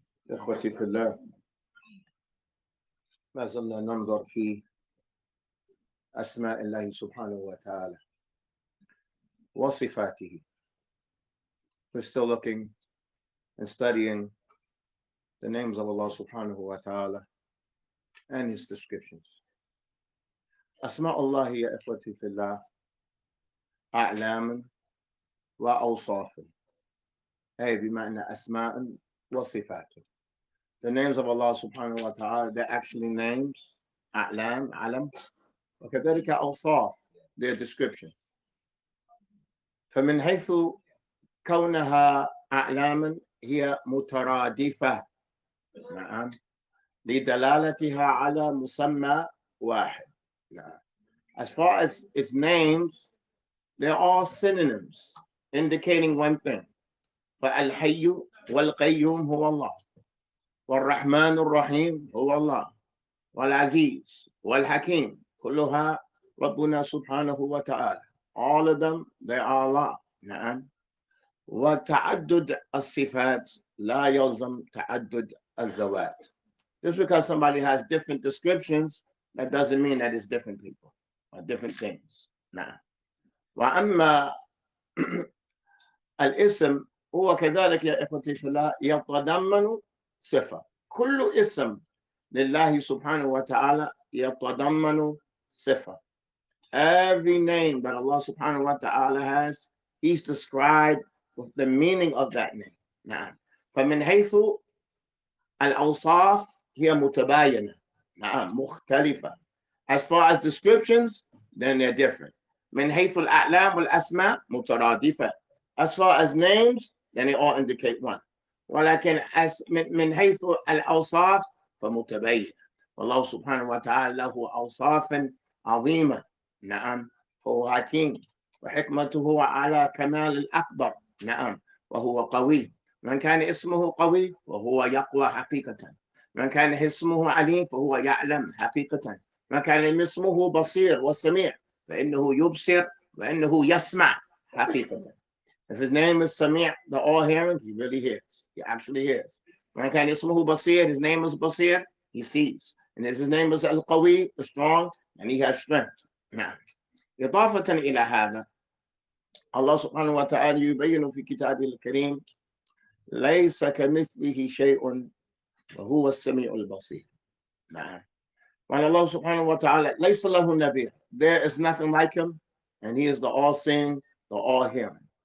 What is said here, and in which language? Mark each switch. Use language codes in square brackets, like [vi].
[ar] إخوتي في الله، ما زلنا ننظر في أسماء الله سبحانه وتعالى وصفاته. [en] We're still looking and studying the names of Allah سبحانه وتعالى and His descriptions. [ar] أسماء الله يا إخوتي في الله أعلام وأوصاف، أي بمعنى أسماء وصفات. [en] The names of Allah سبحانه وتعالى, they're actually names, أعلام, علم, [ar] وكذلك أوصاف, [en] their description. [ar] فمن حيث كونها أعلاما هي مترادفة, نعم, لدلالتها على مسمى واحد. [en] As far as its names, they are synonyms indicating one thing. [ar] فالحي والقيوم هو الله، والرحمن الرحيم هو الله، والعزيز والحكيم كلها ربنا سبحانه وتعالى. [en] All of them, they are Allah. نعم. [ar] وتعدد الصفات لا يلزم تعدد الذوات. [en] Just because somebody has different descriptions, that doesn't mean that it's different people or different things. [ar] نعم. وأما الاسم هو كذلك يا إخوتي في الله يتضمن صفة. كل اسم لله سبحانه وتعالى يتضمن صفة. [en] Every name that Allah سبحانه وتعالى has is described with the meaning of that name. [ar] نعم. فمن حيث الأوصاف هي متباينة. نعم. مختلفة. [en] As far as descriptions, then they're different. [ar] من حيث الأعلام والأسماء مترادفة. [en] As far as names, then they all indicate one. [ar] ولكن من حيث الأوصاف فمتباين. والله سبحانه وتعالى له أوصاف عظيمة. نعم. هو حكيم وحكمته على كمال الأكبر. نعم. وهو قوي. من كان اسمه قوي فهو يقوى حقيقة. من كان اسمه عليم فهو يعلم حقيقة. من كان اسمه بصير وسميع فإنه يبصر وإنه يسمع حقيقة. [en] If his name is Sami', the all-hearing, he really hears. He actually hears. When [ar] كان اسمه بصير, [en] his name is بصير, he sees. And if his name is القوي, the strong, and he has strength. [ar] نعم. إضافة إلى هذا, الله سبحانه وتعالى يبين في كتابه الكريم ليس كمثله شيء وهو السميع البصير. [en] نعم. When الله سبحانه وتعالى [ar] ليس له نذير, [en] there is nothing like him, and he is the all-seeing, the all-hearing.